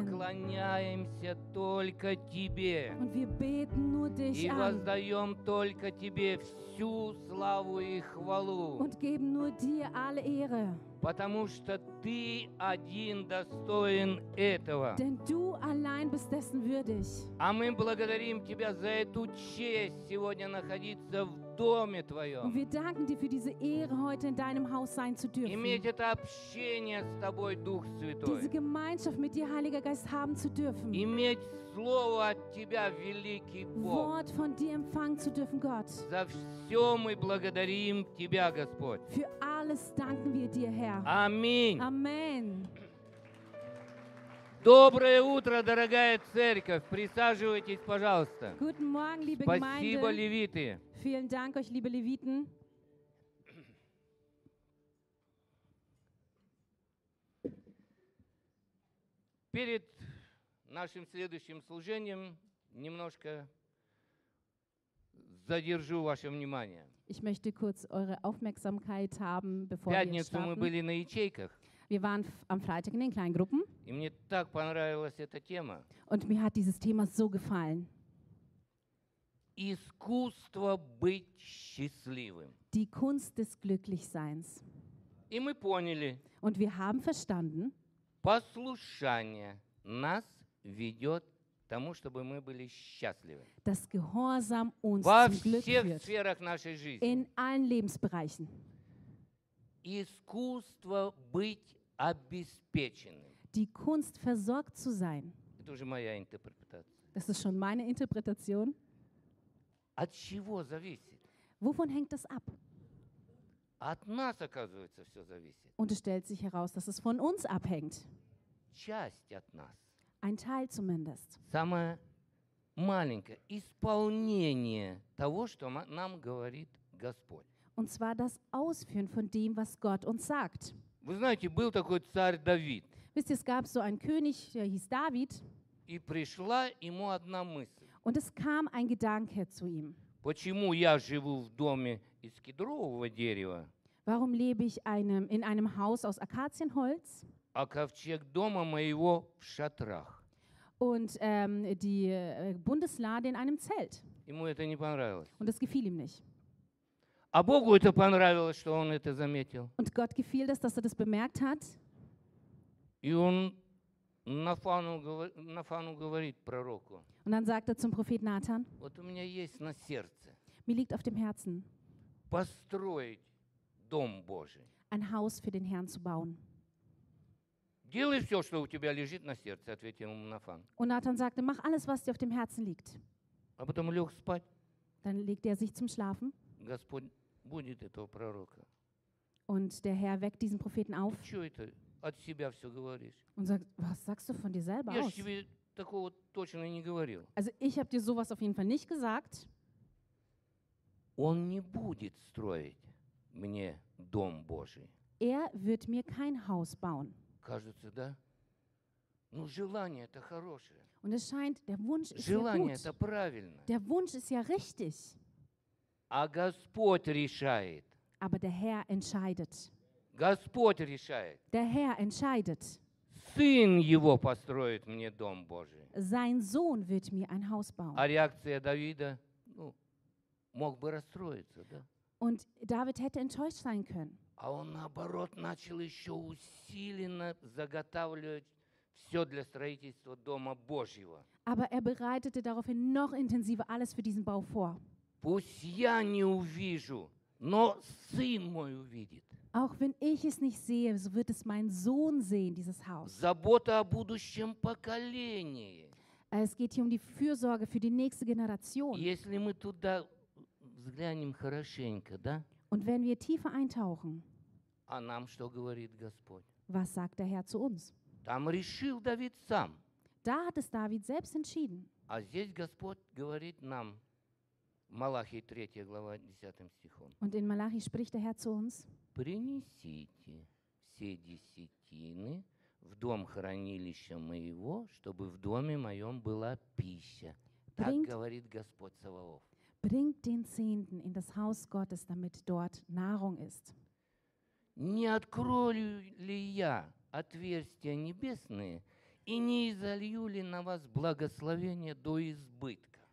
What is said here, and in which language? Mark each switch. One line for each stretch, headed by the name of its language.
Russian: поклоняемся только Тебе!
German: Und wir beten nur dich an!
Russian: И воздаем только Тебе всю славу и хвалу!
German: Und geben nur dir alle Ehre!
Russian: Потому что Ты один достоин этого.
German: Denn du allein bist dessen würdig.
Russian: А мы благодарим Тебя за эту честь сегодня находиться в Доме Твоем.
German: Und wir danken dir für diese Ehre, heute in deinem Haus sein zu dürfen.
Russian: Иметь это общение с Тобой, Дух Святой.
German: Diese Gemeinschaft mit dir, Heiliger Geist, haben zu dürfen.
Russian: Иметь Слово от Тебя, великий Бог.
German: Wort von dir empfangen zu dürfen, Gott.
Russian: За все мы благодарим Тебя, Господь.
German: Für alles danken wir dir, Herr.
Russian: Аминь.
German: Amen.
Russian: Доброе утро, дорогая церковь. Присаживайтесь, пожалуйста.
German: Guten Morgen, liebe
Russian: Спасибо,
German: Gemeinde.
Russian: Спасибо, левиты.
German: Vielen Dank euch, liebe Leviten.
Russian: Перед нашим следующим служением немножко задержу ваше внимание.
German: Ich möchte kurz eure Aufmerksamkeit haben, bevor
Russian: Пятницу
German: wir starten.
Russian: Мы были на ячейках.
German: Wir waren am Freitag in den kleinen Gruppen.
Russian: И мне так понравилась эта тема.
German: Und mir hat dieses Thema so gefallen.
Russian: Искусство быть счастливым.
German: Die Kunst des Glücklichseins.
Russian: И мы поняли.
German: Und wir haben verstanden.
Russian: Послушание нас ведет тому, чтобы мы были счастливы.
German: Das Gehorsam uns
Russian: Во
German: zum Glück führt.
Russian: Во всех сферах нашей жизни.
German: In allen Lebensbereichen.
Russian: Искусство быть обеспеченным.
German: Die Kunst versorgt zu sein.
Russian: Это уже моя интерпретация.
German: Das ist schon meine Interpretation.
Russian: От чего зависит?
German: Wovon hängt das ab?
Russian: От нас, оказывается, все зависит.
German: Und es stellt sich heraus, dass es von uns abhängt.
Russian: Часть от нас.
German: Ein Teil zumindest.
Russian: Самое маленькое исполнение того, что нам говорит Господь.
German: Und zwar das Ausführen von dem, was Gott uns sagt.
Russian: Вы знаете, был такой царь Давид.
German: Wisst ihr, es gab so einen König, der hieß David.
Russian: И пришла ему одна мысль.
German: Und es kam ein Gedanke zu ihm.
Russian: Почему я живу в доме из кедрового дерева?
German: Warum lebe ich in einem Haus aus Akazienholz?
Russian: А ковчег дома моего в шатрах.
German: Und die Bundeslade in einem Zelt.
Russian: Ему это не понравилось.
German: Und es gefiel ihm nicht.
Russian: А Богу это понравилось, что он это заметил.
German: Und Gott gefiel das, dass er das bemerkt hat.
Russian: И он Нафану говорит пророку.
German: Und dann sagt er zum Prophet Nathan.
Russian: Вот у меня есть на сердце.
German: Mir liegt auf dem Herzen.
Russian: Построить дом Божий.
German: Ein Haus für den Herrn zu bauen.
Russian: Делай все, что у тебя лежит на сердце, ответил ему Нафан.
German: Und Nathan sagte, mach alles, was dir auf dem Herzen liegt.
Russian: А потом лег спать.
German: Dann legte er sich zum Schlafen.
Russian: Господь будет этого пророка.
German: Und der Herr weckt diesen Propheten auf.
Russian: Что это? От себя все говоришь.
German: Und sagt, was sagst du von dir selber aus?
Russian: Я тебе такого точно не говорил.
German: Also ich habe dir sowas auf jeden Fall nicht gesagt.
Russian: Он не будет строить мне дом Божий.
German: Er wird mir kein Haus bauen.
Russian: Кажется, да? Ну, желание-то хорошее.
German: Und es scheint, der Wunsch ist
Russian: желание
German: ja gut.
Russian: Желание-то правильно.
German: Der Wunsch ist ja richtig.
Russian: А Господь решает.
German: Aber der Herr entscheidet.
Russian: Господь решает.
German: Der Herr entscheidet.
Russian: Сын его построит мне дом Божий.
German: Sein Sohn wird mir ein Haus bauen.
Russian: А реакция Давида, ну, мог бы расстроиться, да?
German: Und David hätte enttäuscht sein können.
Russian: А он наоборот начал еще усиленно заготавливать все для строительства дома Божьего.
German: Aber er bereitete daraufhin noch intensiver alles für diesen Bau vor.
Russian: Пусть я не увижу, но сын мой увидит.
German: Auch wenn ich es nicht sehe, so wird es mein Sohn sehen, dieses Haus.
Russian: Забота о будущем поколении.
German: Es geht hier um die Fürsorge für die nächste Generation.
Russian: Если мы туда взглянем хорошенько, да?
German: Und wenn wir tiefer eintauchen,
Russian: а нам что говорит Господь?
German: Was sagt der Herr zu uns?
Russian: Там решил Давид сам.
German: Da hat es David selbst entschieden.
Russian: А здесь Господь говорит нам, Малахии 3, глава 10 стихом.
German: Und in Malachi spricht der Herr zu uns.
Russian: Принесите все десятины в дом хранилища моего, чтобы в доме моем была пища. Так говорит Господь Саваоф.
German: Bringt den Zehnten in das Haus Gottes, damit dort Nahrung ist.
Russian: Не открою ли я отверстия небесные и не изолью ли на вас благословение до избытка?